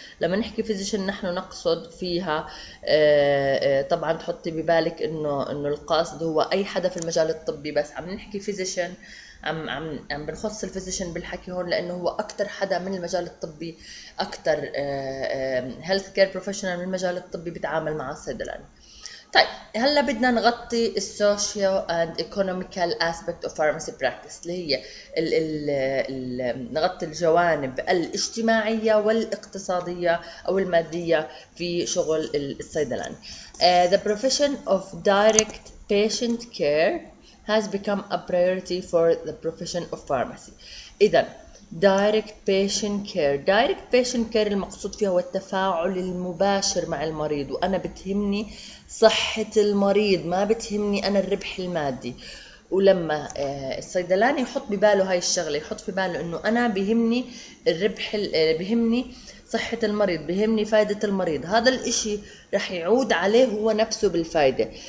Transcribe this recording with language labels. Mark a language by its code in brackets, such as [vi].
[ar] لما نحكي فيزيشن نحن نقصد فيها طبعا تحطي ببالك انه القصد هو اي حدا في المجال الطبي، بس عم نحكي فيزيشن، عم بنخص الفيزيشن بالحكي هون لانه هو اكتر حدا من المجال الطبي، اكتر هيلث كير بروفيشنال من المجال الطبي بتعامل مع الصيدلاني. طيب هلا بدنا نغطي [en] السوشيو and economical aspect of pharmacy practice, [ar] اللي هي الـ نغطي الجوانب الاجتماعيه والاقتصاديه او الماديه في شغل الصيدلاني. [en] The profession of direct patient care has become a priority for the profession of pharmacy. [ar] اذا direct patient care، direct patient care المقصود فيها هو التفاعل المباشر مع المريض، وانا بتهمني صحة المريض، ما بتهمني انا الربح المادي. ولما الصيدلاني يحط بباله هاي الشغلة، يحط في باله انه انا بهمني الربح، بهمني صحة المريض، بهمني فائدة المريض، هذا الاشي رح يعود عليه هو نفسه بالفائدة.